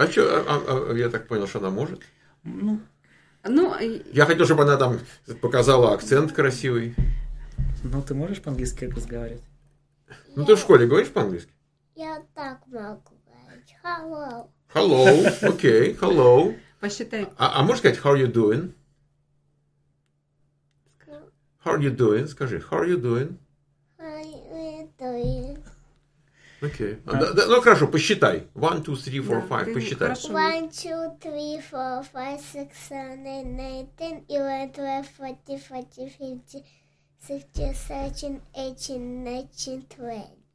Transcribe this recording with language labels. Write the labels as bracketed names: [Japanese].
[Russian] А что, я так понял, что она может? Ну, я хотел, чтобы она там показала акцент красивый. Ну, ты можешь по-английски разговаривать? Ну, ты в школе говоришь по-английски? Я так могу говорить. Hello. [English] Hello, окей, hello. [Russian] Посчитай. А можешь сказать, [English] how are you doing? How are you doing? [Russian] Скажи, [English] how are you doing? How are you doing? Окей. Okay. [Russian] Yeah. Ну, хорошо, посчитай. 1, 2, 3, 4, 5, посчитай. [English] 1, 2, 3, 4, 5, 6, 7, 8, 9, 11, 12, 14, 15, 16, 17, 18, 19, 20.